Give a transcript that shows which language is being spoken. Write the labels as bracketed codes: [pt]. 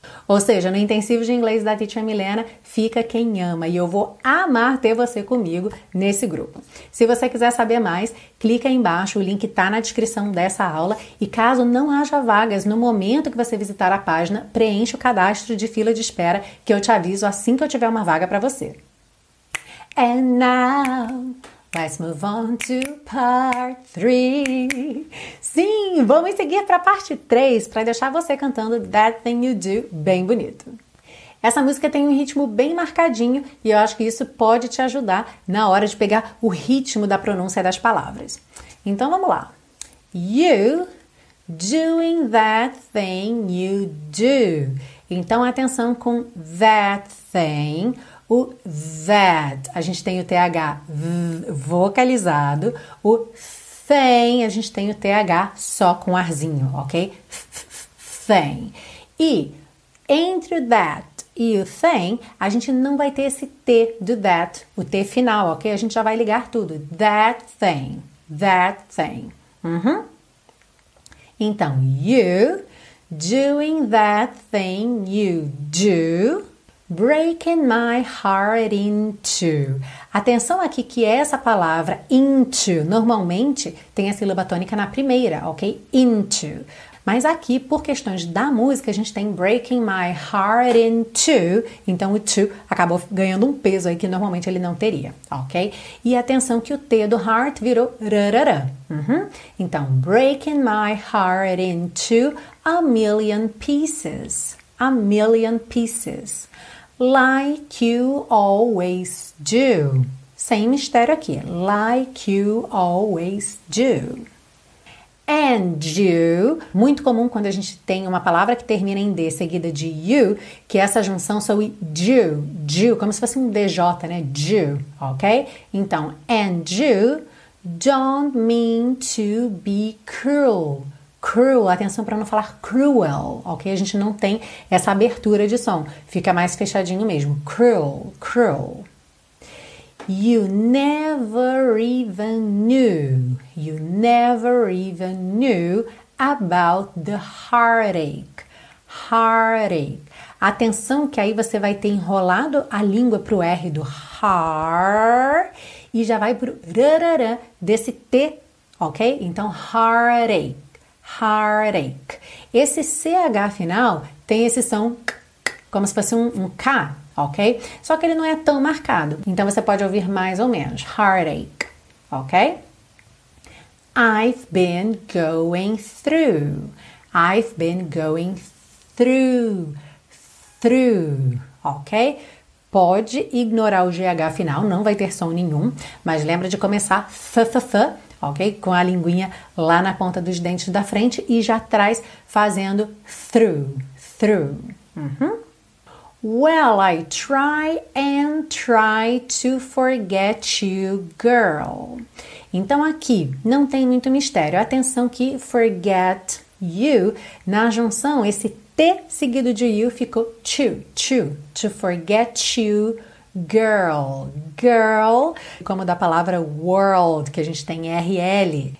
[pt] Ou seja, no intensivo de inglês da Teacher Milena, fica quem ama e eu vou amar ter você comigo nesse grupo. Se você quiser saber mais, clica aí embaixo, o link está na descrição dessa aula. E caso não haja vagas no momento que você visitar a página, preencha o cadastro de fila de espera que eu te aviso assim que eu tiver uma vaga para você. [en] And now, let's move on to part 3. [pt] Sim, vamos seguir para a parte 3 para deixar você cantando That Thing You Do bem bonito. Essa música tem um ritmo bem marcadinho e eu acho que isso pode te ajudar na hora de pegar o ritmo da pronúncia das palavras. Então vamos lá. [en] You doing that thing you do. [pt] Então atenção com [en] that thing. [pt] O that, a gente tem o TH vocalizado. O thing, a gente tem o TH só com arzinho, ok? Thing. E entre o that e o thing, a gente não vai ter esse T do that, o T final, ok? A gente já vai ligar tudo. [en] That thing. Então, you doing that thing you do. Breaking my heart into. [pt] Atenção aqui que essa palavra into normalmente tem a sílaba tônica na primeira, ok? Into. Mas aqui, por questões da música, a gente tem [en] breaking my heart into. [pt] Então o to acabou ganhando um peso aí que normalmente ele não teria, ok? E atenção que o T do heart virou rarara. [en] Então, breaking my heart into a million pieces. A million pieces. Like you always do. [pt] Sem mistério aqui. [en] Like you always do. And you. [pt] Muito comum quando a gente tem uma palavra que termina em D seguida de you, que essa junção soa do, como se fosse um DJ, né? Do, ok? [en] Então, and you don't mean to be cruel. [pt] Cruel, atenção para não falar cruel, ok? A gente não tem essa abertura de som, fica mais fechadinho mesmo. [en] Cruel, cruel. You never even knew, you never even knew about the heartache, heartache. [pt] Atenção que aí você vai ter enrolado a língua para o R do har e já vai para o rararã desse T, ok? Então, heartache. Heartache. Esse CH final tem esse som como se fosse um K, ok? Só que ele não é tão marcado. Então você pode ouvir mais ou menos. [en] Heartache, ok? I've been going through. I've been going through. Through, ok? [pt] Pode ignorar o GH final, não vai ter som nenhum. Mas lembra de começar f-f-f. Ok? Com a linguinha lá na ponta dos dentes da frente e já atrás fazendo through, through. [en] Well, I try and try to forget you, girl. [pt] Então aqui não tem muito mistério. Atenção que forget you, na junção, esse T seguido de you ficou [en] to forget you. [pt] Girl, girl, como da palavra world, que a gente tem RL.